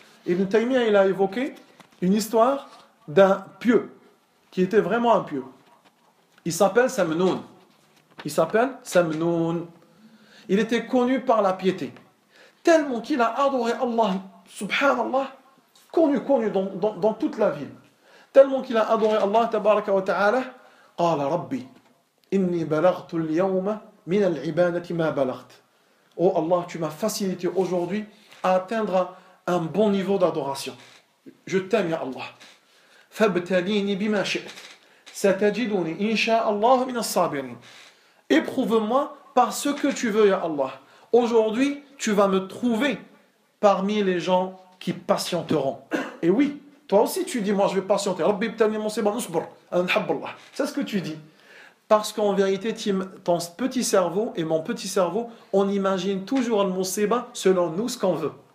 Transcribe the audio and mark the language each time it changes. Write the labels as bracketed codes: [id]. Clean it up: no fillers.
[fr] Ibn Taymiyyah il a évoqué une histoire d'un pieux, qui était vraiment un pieux. Il s'appelle Samnoun. Il s'appelle Samnoun. Il était connu par la piété. Tellement qu'il a adoré Allah, subhanallah, connu dans toute la ville. Tellement qu'il a adoré Allah, [ar] tabaraka wa ta'ala, قال ربي إني بلغت اليوم من العبادة ما بلغت. [fr] Oh Allah, tu m'as facilité aujourd'hui à atteindre un bon niveau d'adoration. Je t'aime, ya Allah. [ar] فابتليني بما شئت. ستجدني إن شاء الله من الصابرين. [fr] Éprouve-moi par ce que tu veux, ya Allah. Aujourd'hui, tu vas me trouver parmi les gens qui patienteront. Et oui, toi aussi tu dis, moi je vais patienter. [ar] Rabbi btanimon seba nusbur, anhabbullah. [fr] C'est ce que tu dis. Parce qu'en vérité, ton petit cerveau et mon petit cerveau, on imagine toujours le monseba selon nous ce qu'on veut.